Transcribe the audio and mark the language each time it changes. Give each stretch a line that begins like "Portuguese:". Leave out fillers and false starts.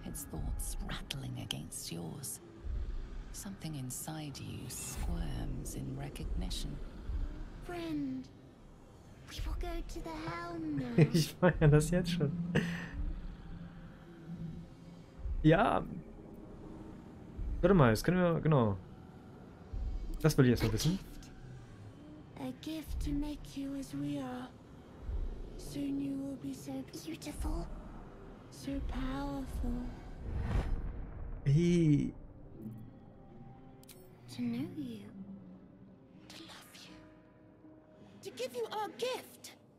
English: Thoughts rattling against yours. Something inside you squirms in recognition. Friend, we will go to the helm now.
German: Ich meine das jetzt schon. Ja. Warte mal, das können wir, genau. Das will ich jetzt mal wissen.
English: A gift to make you as we are. Soon you will be so beautiful. So powerful. Hey. To know you, to love you, to give you our gift.